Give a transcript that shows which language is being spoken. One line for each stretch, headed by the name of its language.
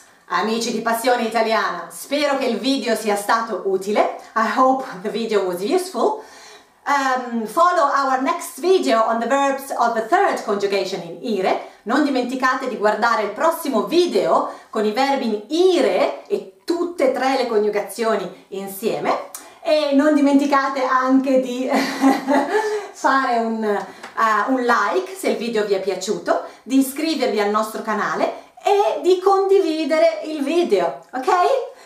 Italian: Amici di Passione Italiana, spero che il video sia stato utile.
English: I hope the video was useful. Follow our next video on the verbs of the third conjugation in ire.
Italian: Non dimenticate di guardare il prossimo video con i verbi in ire e tutte e tre le coniugazioni insieme. E non dimenticate anche di fare un like se il video vi è piaciuto, di iscrivervi al nostro canale e di condividere il video, ok?